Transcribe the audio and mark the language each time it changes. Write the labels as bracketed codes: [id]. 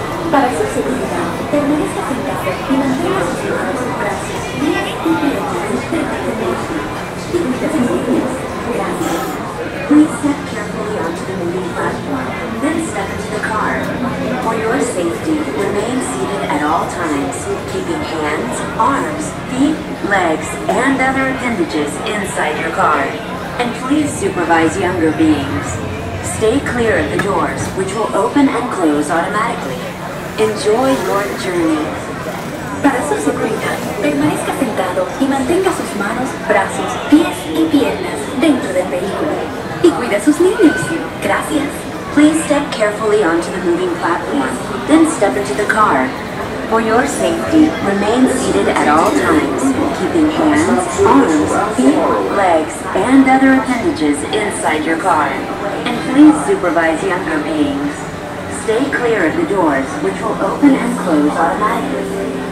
[es] Para su seguridad, permanezca sentado y mantenga sus manos y brazos bien y bien cerca de la mesa. Gracias. [en] Please step carefully onto the moving platform, then step into the car. For your safety, remain seated at all times, keeping hands, arms, feet, legs, and other appendages inside your car. And please supervise younger beings. Stay clear of the doors, which will open and close automatically. Enjoy your journey. [es] Para su seguridad, permanezca sentado y mantenga sus manos, brazos, pies y piernas dentro del vehículo. Y cuida sus niños. Gracias. [en] Please step carefully onto the moving platform, then step into the car. For your safety, remain seated at all times, keeping hands, arms, feet, legs, and other appendages inside your car. And please supervise younger beings. Stay clear of the doors, which will open and close automatically.